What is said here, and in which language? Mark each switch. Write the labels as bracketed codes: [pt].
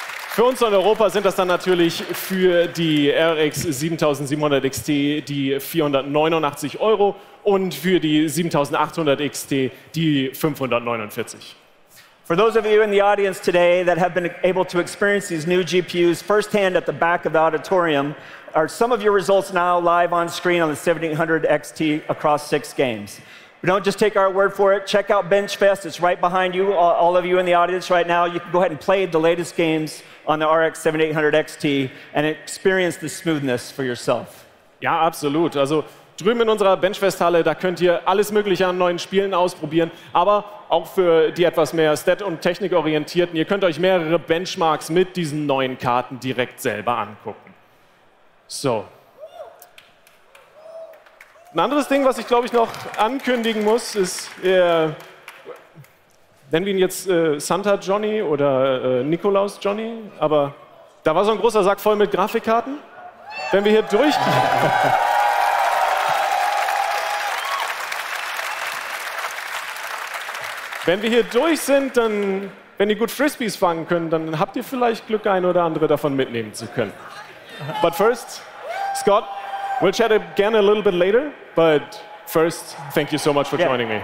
[de] Für uns in Europa sind das dann natürlich für die RX 7700 XT die 489 Euro und für die 7800 XT die 549. [en] For those of you in the audience today that have been able to experience these new GPUs firsthand at the back of the auditorium, are some of your results now live on screen on the 7800 XT across 6 games. But don't just take our word for it. Check out BenchFest. It's right behind you, all of you in the audience right now. You can go ahead and play the latest games on the RX 7800 XT and experience the smoothness for yourself. [de] Ja, absolut. Also drüben in unserer Benchfest-Halle, da könnt ihr alles Mögliche an neuen Spielen ausprobieren, aber auch für die etwas mehr Stat- und Technikorientierten, ihr könnt euch mehrere Benchmarks mit diesen neuen Karten direkt selber angucken. So. Ein anderes Ding, was ich glaube ich noch ankündigen muss, ist, nennen wir ihn jetzt Santa Johnny oder Nikolaus Johnny, aber da war so ein großer Sack voll mit Grafikkarten. Wenn wir hier durchgehen. Wenn wir hier durch sind, dann, wenn ihr gut Frisbees fangen könnt, dann habt ihr vielleicht Glück, ein oder andere davon mitnehmen zu können. [en] But first, Scott, we'll chat again a little bit later. But first, thank you so much for joining me.